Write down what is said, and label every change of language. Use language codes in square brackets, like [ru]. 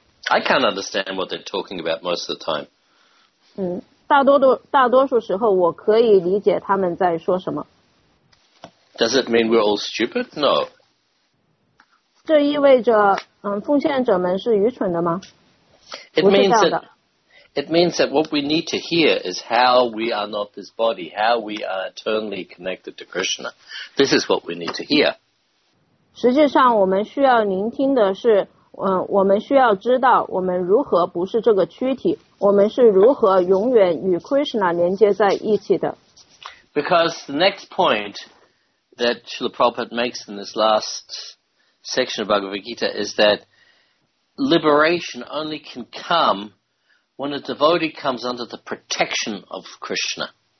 [en] I can't understand what they're talking about most of the time. [zh] 大多数时候我可以理解他们在说什么。 [en] Does it mean we're all stupid? No. [zh] 这意味着奉献者们是愚蠢的吗？ [en] It means that what we need to hear is how we are not this body, how we are eternally connected to Krishna. This is what we need to hear. [zh] 实际上我们需要聆听的是我们需要知道我们如何不是这个躯体，我们是如何永远与 Krishna 连接在一起的。 [en] Because the next point that Srila Prabhupada makes in this last section of Bhagavad Gita is that liberation only can come when a devotee comes under the protection of Krishna.